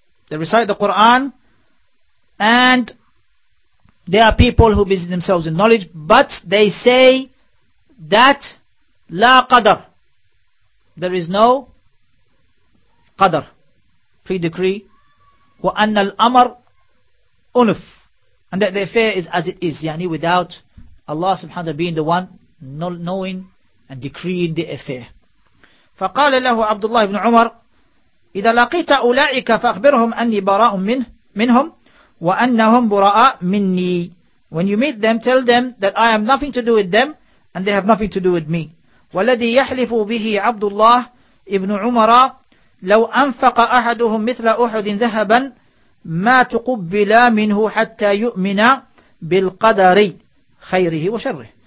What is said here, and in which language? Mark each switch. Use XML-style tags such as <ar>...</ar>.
<en>They recite the Quran, and there are people who busy themselves in knowledge, but they say that la qadr, there is no qadr, pre-decree,</en> <ar>wa anna al-amr unuf,</ar> <en>and that the affair is as it is, yani without Allah subhanahu wa ta'ala being the one knowing and decreeing the affair.</en> <ar>فقال له عبد الله بن عمر إذا لقيت أولئك فأخبرهم أني براء منهم وأنهم براء مني.</ar> <en>When you meet them, tell them that I have nothing to do with them and they have nothing to do with me.</en> <ar>والذي يحلف به عبد الله بن عمر لو أنفق أحدهم مثل أحد ذهبا ما تقبل منه حتى يؤمن بالقدر خيره وشره.</ar>